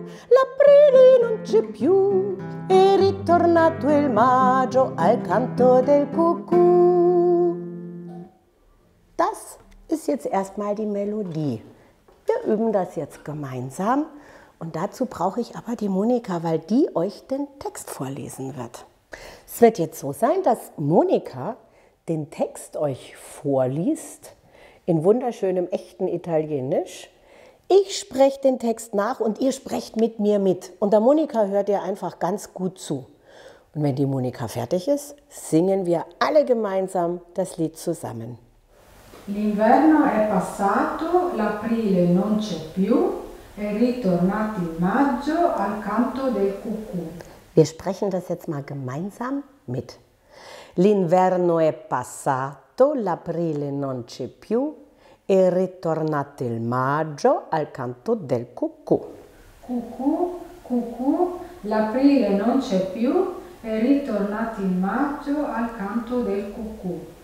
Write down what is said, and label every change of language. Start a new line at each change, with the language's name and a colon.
Italian: L'aprile non c'è più, è ritornato il maggio al canto del cucù.
German: Das ist jetzt erstmal die Melodie. Wir üben das jetzt gemeinsam und dazu brauche ich aber die Monika, weil die euch den Text vorlesen wird. Es wird jetzt so sein, dass Monika den Text euch vorliest in wunderschönem echten Italienisch. Ich spreche den Text nach und ihr sprecht mit mir mit. Und der Monika hört ihr einfach ganz gut zu. Und wenn die Monika fertig ist, singen wir alle gemeinsam das Lied zusammen.
Italian: L'inverno è passato, l'aprile non c'è più, è ritornato il maggio al canto del cucù.
German: Wir sprechen das jetzt mal gemeinsam mit.
Italian: L'inverno è passato, l'aprile non c'è più. È ritornato il maggio al canto del cucù. Cucù, cucù, l'aprile non c'è più, è ritornato il maggio al canto del cucù.